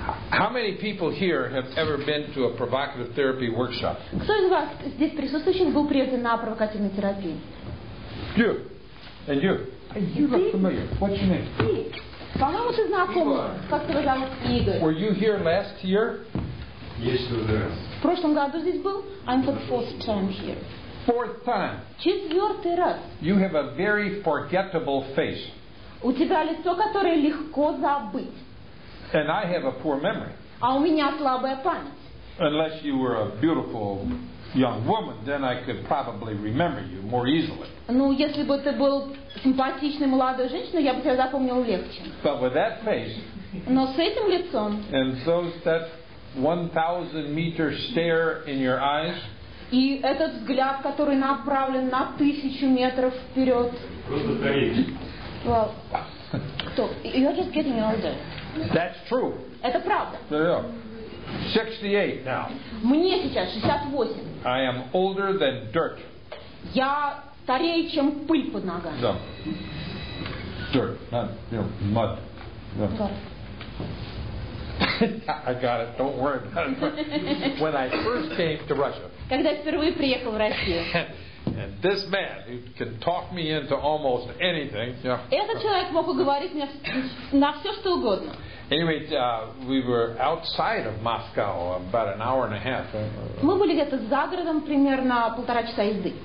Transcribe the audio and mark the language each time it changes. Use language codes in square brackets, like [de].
[en] How many people here have ever been to a provocative therapy workshop? [ru] Кто из вас здесь присутствующих был прежде на провокативной терапии? [en] You. And you? You look familiar. What's your name? [ru] По-моему, ты знаком. Как тебя зовут? Игорь. [en] Were you here last year? Yes, I was. [ru] В прошлом году здесь был? [en] I'm the fourth time here. Fourth time. [ru] Четвертый раз. [en] You have a very forgettable face. [ru] У тебя лицо, которое легко забыть. [en] And I have a poor memory. [ru] А у меня слабая память. [en] Unless you were a beautiful young woman, then I could probably remember you more easily. [ru] Ну, если бы ты был симпатичной молодой женщиной, я бы тебя запомнил легче. [en] But with that face. [ru] Но с этим лицом. [en] And so that 1,000-meter stare in your eyes. [ru] И этот взгляд, который направлен на 1,000 метров вперед. Просто стареешь. [en] Well, so you're just getting older. That's true. [ru] Это правда. [en] Yeah. 68 now. [ru] Мне сейчас 68. [en] I am older than dirt. [ru] Я старее, чем пыль под ногами. [en] Да. Dirt, not you know, mud. Yeah. Got it. I got it. Don't worry about it. When I first came to Russia. [ru] Когда я впервые приехал в Россию. [en] And this man who can talk me into almost anything. [ru] Этот человек мог уговорить меня на все что угодно. [en] Anyway, we were outside of Moscow about an hour and a half. [ru] Мы были где-то за городом примерно полтора часа езды.